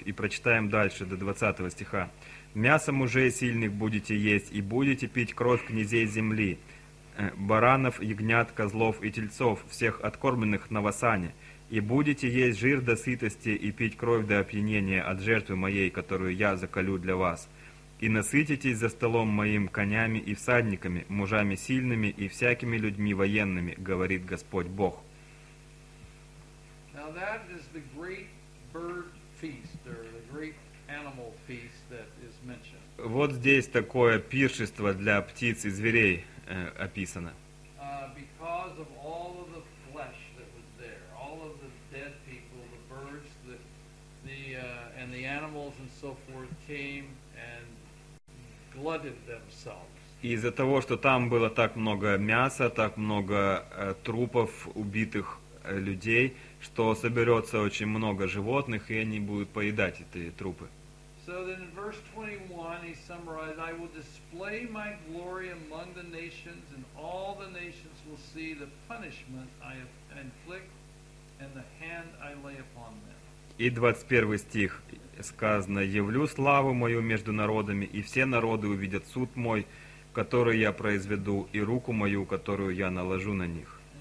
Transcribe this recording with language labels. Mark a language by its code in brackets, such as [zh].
[ru] И прочитаем дальше до 20 стиха. "Мясо мужей сильных будете есть и будете пить кровь князей земли, баранов, ягнят, козлов и тельцов, всех откормленных на Васане. И будете есть жир до сытости и пить кровь до опьянения от жертвы моей, которую я заколю для вас. И насытитесь за столом моим конями и всадниками, мужами сильными и всякими людьми военными, говорит Господь Бог." [en] Now that is the great bird feast, or the great animal feast that is mentioned. [ru] Вот здесь такое пиршество для птиц и зверей описано. [en] Because of all of the flesh that was there, all of the dead people, the birds, the and the animals and so forth came and glutted themselves. [ru] Из-за того, что там было так много мяса, так много трупов убитых людей, что соберется очень много животных, и они будут поедать эти трупы. [en] So then in verse 21 he summarized, I will display my glory among the nations, and all the nations will see the punishment I inflict and the hand I lay upon them. [ru] И 21 стих сказано, явлю славу мою между народами, и все народы увидят суд мой, который я произведу, и руку мою, которую я наложу на них.